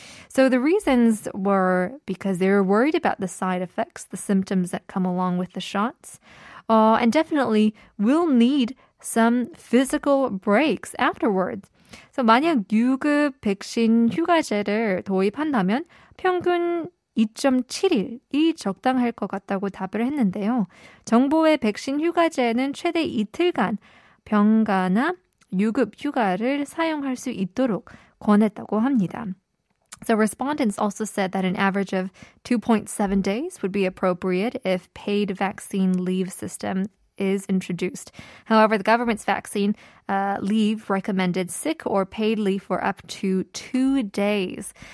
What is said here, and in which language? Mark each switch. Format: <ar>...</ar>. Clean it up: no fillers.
<en>So the reasons were because they were worried about the side effects, the symptoms that come along with the shots, and definitely will need some physical breaks afterwards.</en> <ko>So 만약 6급 백신 휴가제를 도입한다면 평균 2.7일이 적당할 것 같다고 답을 했는데요. 정부의 백신 휴가제는 최대 이틀간 병가나 유급 휴가를 사용할 수 있도록 권했다고 합니다.</ko> <en>So respondents also said that an average of 2.7 days would be appropriate if paid vaccine leave system is introduced. However, the government's vaccine leave recommended sick or paid leave for up to 2 days.</en>